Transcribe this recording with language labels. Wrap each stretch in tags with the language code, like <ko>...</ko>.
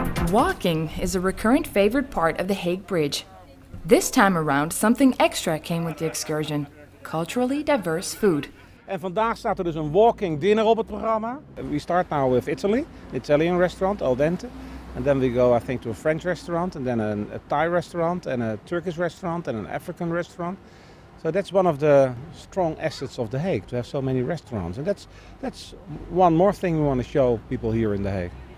<en>Walking is a recurrent favorite part of the Hague Bridge. This time around, something extra came with the excursion: culturally diverse food.</en> <nl>En vandaag staat er dus een walking dinner op het programma.</nl> <en>We start now with Italy, Italian restaurant al dente, and then we go, I think, to a French restaurant, and then a Thai restaurant, and a Turkish restaurant, and an African restaurant. So that's one of the strong assets of the Hague, to have so many restaurants, and that's one more thing we want to show people here in the Hague.</en>